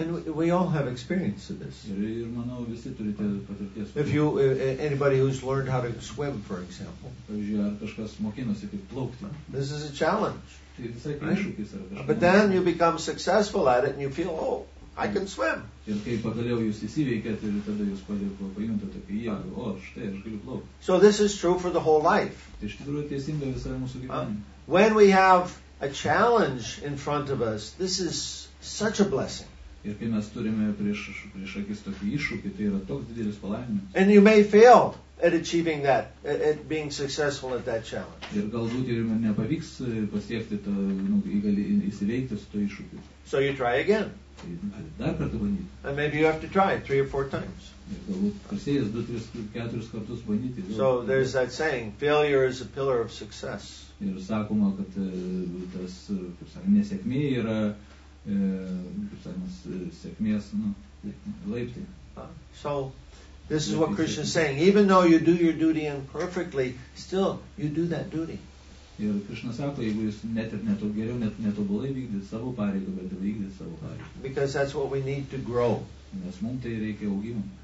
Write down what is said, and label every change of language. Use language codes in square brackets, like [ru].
[en] And we all have experience of this. [lt] Ir manau, visi turite patirties. [en] If you, anybody who's learned how to swim, for example. [lt] Pavyzdžiui, ar kažkas mokinosi kaip plaukti. [en] This is a challenge. [lt] Tai visai kaip iššūkis yra kažkas. [en] But then you become successful at it and you feel, oh, I can swim. [lt] Ir kai pagaliau jūs įsiveikėt ir tada jūs pajuntat, kad jau, o, štai, aš galiu plaukti. [en] So this is true for the whole life. [lt] Tai iš tikrųjų teisinga visai mūsų gyvenime. [en] When we have a challenge in front of us, this is such a blessing. [lt] Ir kai mes turime prieš akis tokį iššūkį, tai yra toks didelis palaiminimas. [en] And you may fail at achieving that, at being successful at that challenge. [lt] Ir galbūt ir nepavyks pasiekti to, nu, įsiveikti su to iššūkiu. [en] So you try again. [lt] Dar kartą bandyti. [en] And maybe you have to try it 3 or 4 times. [lt] Prasėjęs 2, 3, 4 kartus bandyti. [en] So there's that saying, failure is a pillar of success. [lt] Ir sakoma, kad tas, kaip sakant, nesėkmė yra, kaip sakant, sėkmės, nu, laiptai. [en] So this is what Krishna is saying. Even though you do your duty imperfectly, still you do that duty. [lt] Ir Krishna sako, jeigu jūs net ir netu, geriau netobulai vykdyt savo pareigą, bet vykdyt savo pareigą. [en] Because that's what we need to grow. [lt] Nes mums tai reikia augimo.